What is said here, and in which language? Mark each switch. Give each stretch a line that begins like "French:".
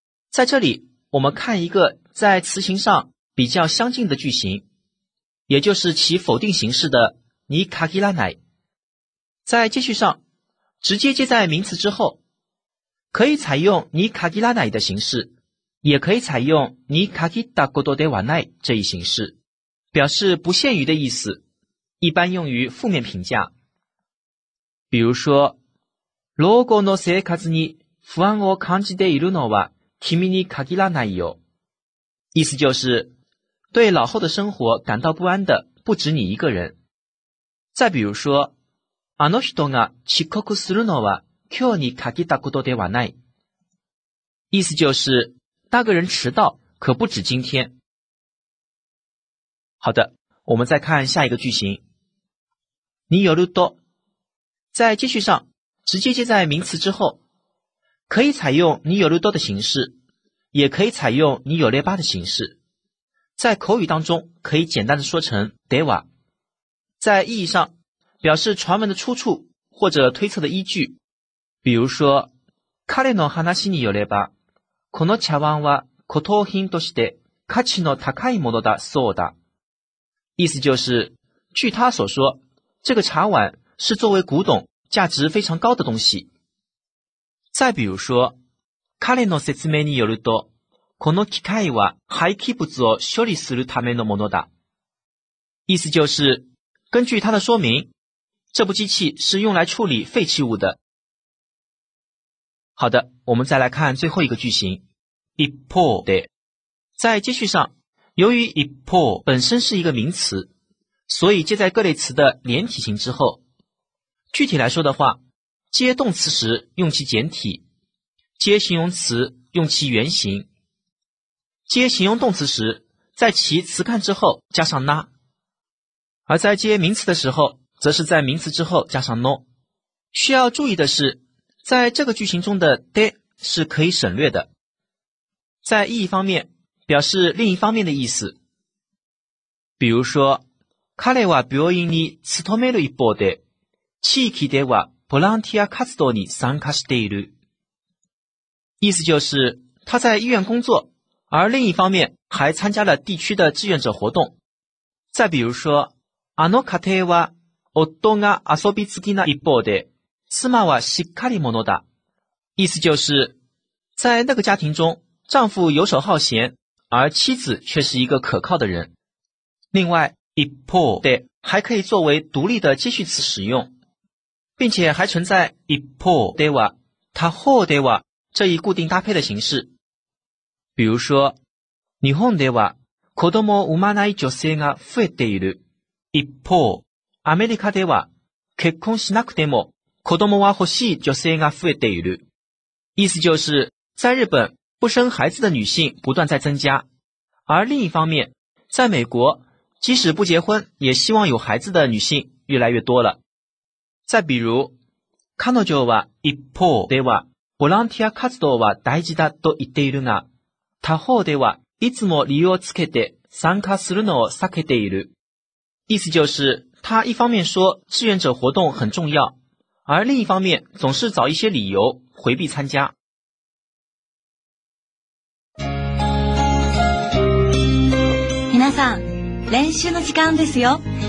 Chinese: 在这里我们看一个在词形上比较相近的句型，也就是其否定形式的に限らない，在接续上直接接在名词之后，可以采用に限らない的形式，也可以采用に限ったことではない这一形式，表示不限于的意思，一般用于负面评价。比如说老後の生活に不安を感じているのは君に限らないよ，意思就是对老后的生活感到不安的不止你一个人。
Japanese: 再比如说あの人が遅刻するのは今日に限ったことではない，意思就是
Chinese: 那个人迟到可不止今天。好的，我们再看下一个句型。
Japanese: によると，
Chinese: 在接续上，直接接在名词之后，可以采用によると的形式，也可以采用によれば的形式。在口语当中，可以简单的说成では。在意义上，表示传闻的出处或者推测的依据。比如说，
Japanese: 彼の話によれば、この茶碗は骨董品として価値の高いものだそうだ。
Chinese: 意思就是，据他所说，这个茶碗是作为古董价值非常高的东西。再比如说，
Japanese: 彼の説明によると、この機械は廃棄物を処理するためのものだ。
Chinese: 意思就是，根据他的说明，这部机器是用来处理废弃物的。好的，我们再来看最后一个句型。
Japanese: 一方で，
Chinese: 在接续上，由于一方本身是一个名词，所以接在各类词的连体型之后。具体来说的话，接动词时用其简体，接形容词用其原形。接形容动词时，在其词干之后加上那，而在接名词的时候，则是在名词之后加上 no。需要注意的是，在这个句型中的 de 是可以省略的，在意义方面表示另一方面的意思。比如说，
Japanese: 彼は病院に勤める一方で、地域ではボランティア活動に参加している。
Chinese: 意思就是他在医院工作，而另一方面还参加了地区的志愿者活动。再比如说，
Japanese: あの家庭は夫が遊び好きな一方で、妻はしっかり者だ。
Chinese: 意思就是，在那个家庭中，丈夫游手好闲，而妻子却是一个可靠的人。另外，
Japanese: 一方
Chinese: で还可以作为独立的接续词使用，并且还存在
Japanese: 一方
Chinese: では、他方では这一固定搭配的形式。比如说，
Japanese: 日本では子供を産まない女性が増えている。一方、アメリカでは結婚しなくても子供は欲しい女性が増えている。
Chinese: 意思就是，在日本，不生孩子的女性不断在增加，而另一方面，在美国，即使不结婚，也希望有孩子的女性越来越多了。再比如，
Japanese: 彼女は一方ではボランティア活動は大事だと言っているが、他方ではいつも理由をつけて参加するのを避けている。
Chinese: 意思就是，他一方面说志愿者活动很重要，而另一方面总是找一些理由回避参加。
Japanese: 皆さん、練習の時間ですよ。